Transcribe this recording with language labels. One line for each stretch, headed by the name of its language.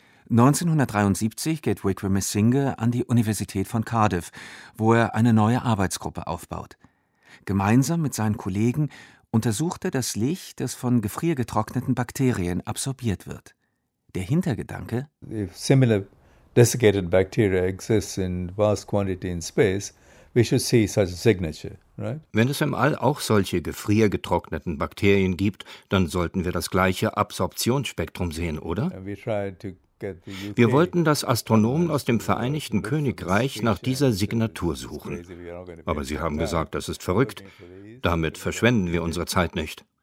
German: 1973 geht Wickramasinghe an die Universität von Cardiff, wo er eine neue Arbeitsgruppe aufbaut. Gemeinsam mit seinen Kollegen untersucht er das Licht, das von gefriergetrockneten Bakterien absorbiert wird. Der Hintergedanke:
English: If similar desiccated bacteria exists in vast quantity in space, we should see such a signature.
German: Wenn es im All auch solche gefriergetrockneten Bakterien gibt, dann sollten wir das gleiche Absorptionsspektrum sehen, oder? Wir wollten, dass Astronomen aus dem Vereinigten Königreich nach dieser Signatur suchen. Aber sie haben gesagt, das ist verrückt. Damit verschwenden wir unsere Zeit nicht.